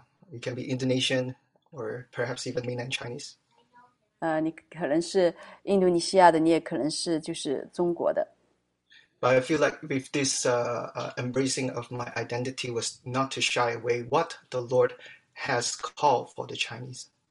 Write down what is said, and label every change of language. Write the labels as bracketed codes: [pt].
[en] You can be Indonesian or perhaps even mainland Chinese. [zh] 你可能是印度尼西亚的，你也可能是就是中国的。 [en] But I feel like with this embracing of my identity was not to shy away what the Lord has called for the Chinese.